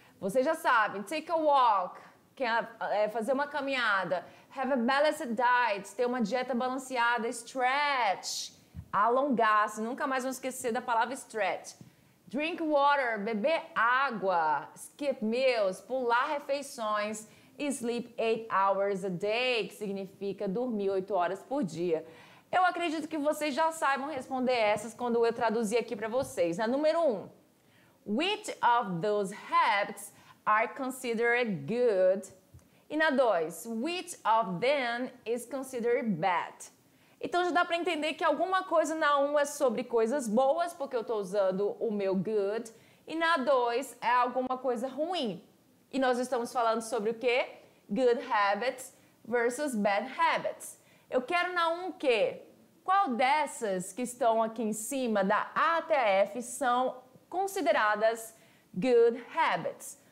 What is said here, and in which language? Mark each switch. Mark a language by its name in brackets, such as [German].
[Portuguese] Você já sabe, [English] take a walk, [Portuguese] fazer uma caminhada, [English] have a balanced diet, [Portuguese] ter uma dieta balanceada, stretch, alongar-se, nunca mais vamos esquecer da palavra stretch. [English] Drink water, [Portuguese] beber água, [English] skip meals, [Portuguese] pular refeições, [English] sleep 8 hours a day, [Portuguese] que significa dormir 8 horas por dia. Eu acredito que vocês já saibam responder essas quando eu traduzir aqui para vocês. Na número 1, [English] which of those habits are considered good? [Portuguese] E na 2, [English] which of them is considered bad? [Portuguese] Então já dá para entender que alguma coisa na 1 é sobre coisas boas, porque eu estou usando o meu good, e na 2 é alguma coisa ruim. E nós estamos falando sobre o quê? [English] Good habits versus bad habits. [Portuguese] Eu quero na 1 o quê? Qual dessas que estão aqui em cima, da A até a F, são consideradas [English] good habits?